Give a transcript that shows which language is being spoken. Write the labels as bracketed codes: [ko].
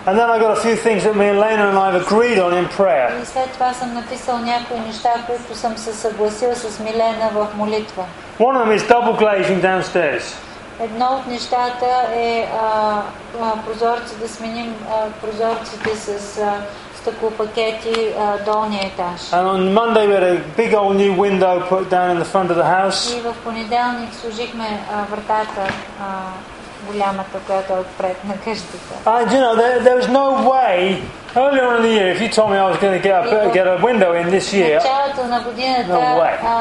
[en] And then I got a few things that me and Lena and I have agreed on in prayer. [bg] И след това съм написал някои неща, които съм се съгласил с Милена в молитва. [en] One of them is double glazing downstairs. [bg] Едно от нещата е прозорците да сменим прозорците с стъклопакети долния етаж. [en] And on Monday we had a big old new window put down in the front of the house. [bg] И в понеделник сложихме вратата голямата, която е отпред на къщата. [en] And you know, there was no way. Earlier on in the year, if you told me I was going to get a window in this year, no way.